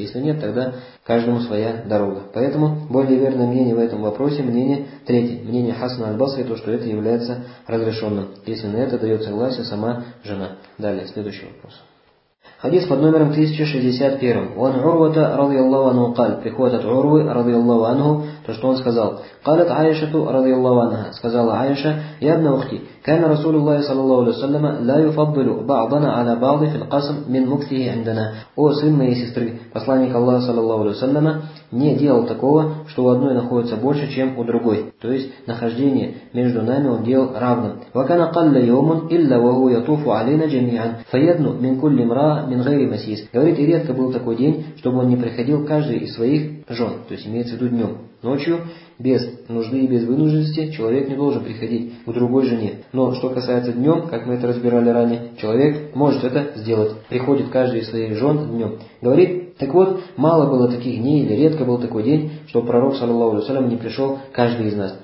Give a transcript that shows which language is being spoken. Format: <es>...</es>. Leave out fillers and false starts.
<ru>Если нет, тогда каждому своя дорога. Поэтому более верное мнение в этом вопросе, мнение третье, мнение Хасана аль-Басри, то, что это является разрешенным, если на это дает согласие сама жена. Далее, следующий вопрос. Хадис под номером 1061.</ru> <ar>«Уан Урвата радиаллаху анху каль»</ar> <ru>«Приход от Урвы радиаллаху анху» то, что он сказал.</ru> <ar>«Калят Айшату радиаллаху анха»</ar> <ru>сказала Айша</ru> <ar>«Ябна ухти» كان رسول الله صلى الله عليه وسلم لا يفضل بعضنا على بعض في القسم من مكثه عندنا.</ar> <ru>О, сын моей сестры, посланник Аллаха, саллаллаху алейхи ва саллям, не делал такого, что у одной находится больше, чем у другой. То есть нахождение между нами он делал равным.</ru> <ar>وكان قل يوم إلا وهو يطوف علينا جميعا فيدن من كل امرأة من غير مسيس.</ar> <ru>Говорит, и редко был такой день, чтобы он не приходил каждый из своих жен. То есть имеется в виду днем. Ночью, без нужды и без вынужденности, человек не должен приходить к другой жене. Но что касается днем, как мы это разбирали ранее, человек может это сделать. Приходит каждый из своих жен днем. Говорит, так вот, мало было таких дней или редко был такой день, что пророк, саллаллаху алейхи ва саллям, не пришел каждый из нас.</ru>